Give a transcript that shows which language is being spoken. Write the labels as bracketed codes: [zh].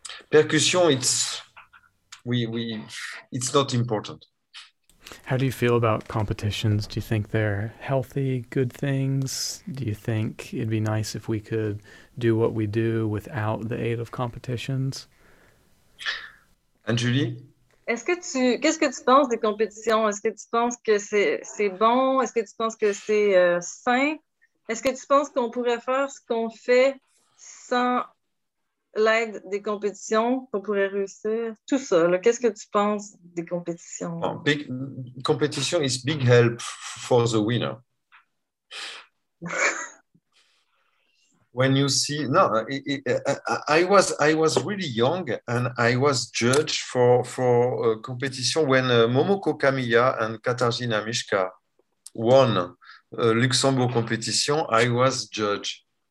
[en] Percussion, it's not important. How do you feel about competitions? Do you think they're healthy, good things? Do you think it'd be nice if we could do what we do without the aid of competitions? And Julie? [fr] Qu'est-ce que tu penses des compétitions? Est-ce que tu penses que c'est bon? Est-ce que tu penses que c'est sain? Est-ce que tu penses qu'on pourrait faire ce qu'on fait sans l'aide des compétitions, qu'on pourrait réussir? Tout ça, là, qu'est-ce que tu penses des compétitions? [en] Oh, big, competition is big help for the winner. When you see, no, I was really young and I was judged for a competition when Momoko Kamiya and Katarzyna Miszka won a Luxembourg competition, I was judged.